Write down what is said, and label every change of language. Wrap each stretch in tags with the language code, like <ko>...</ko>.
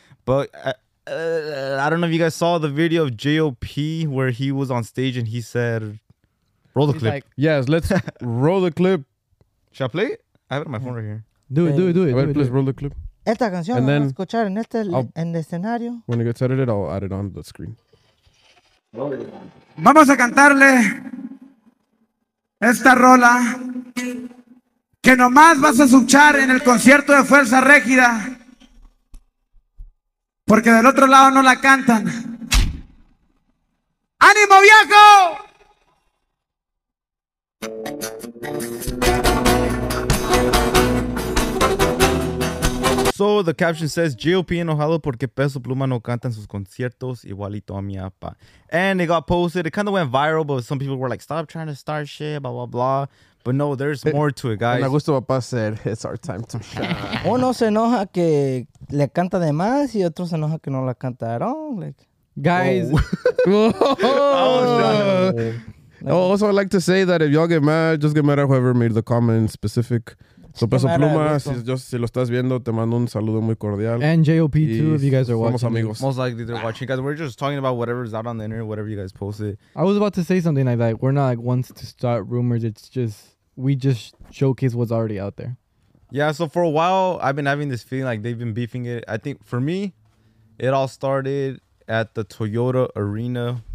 <en>But I don't know if you guys saw the video of JOP where he was on stage and he said, roll the clip. Like, yes, let's roll the clip. Shall I play it? I have it on my phone right here. Do it. Right, please roll the clip.</en> <es>Esta canción</es> <en>and then</en> <es>escuchar en este en el escenario.</es> <en>When it gets edited, I'll add it on the screen.</en> <es>Vamos a cantarle esta rola que nomás vas a escuchar en el concierto de Fuerza Régida, porque del otro lado no la cantan. ¡Ánimo, viejo!</es> <en>So the caption says, JOP</en> <es>enojado porque Peso Pluma no canta en sus conciertos igualito a mi apa.</es> <en>And it got posted. It kind of went viral, but some people were like, stop trying to start shit, blah, blah, blah. But no, there's more to it, guys. And Agushto Papá said, it's our time to shine.</en> <es>Uno se enoja que le canta de más y otro se enoja que no la canta</es> <en>at all. Like, guys. Oh, also, I'd like to say that if y'all get mad, just get mad at whoever made the comment specific.</en> <es>So Peso Pluma, si lo estás viendo, te mando un saludo muy cordial.</es> <en>And JOP too, if you guys are watching.</en> <es>Amigos.</es> <en>Most likely they're watching. Guys, we're just talking about whatever's out on the internet, whatever you guys posted. I was about to say something like that. We're not like ones to start rumors. It's just, we just showcase what's already out there. Yeah, so for a while, I've been having this feeling like they've been beefing it. I think for me, it all started at the Toyota Arena.</en>